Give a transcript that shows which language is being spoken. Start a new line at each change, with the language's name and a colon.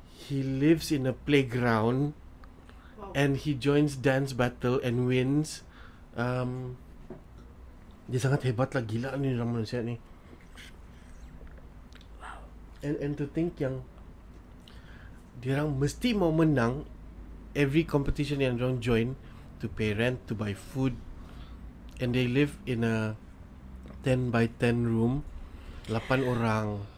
English: He lives in a playground, and he joins dance battle and wins.
Malay: Dia sangat hebat lah, gila ni orang manusia ni. Wow.
English: And to think
Malay: yang diorang mesti mau menang
English: every competition
Malay: yang diorang
English: join to pay rent, to buy food, and they live in a 10 by 10 room,
Malay: 8 orang.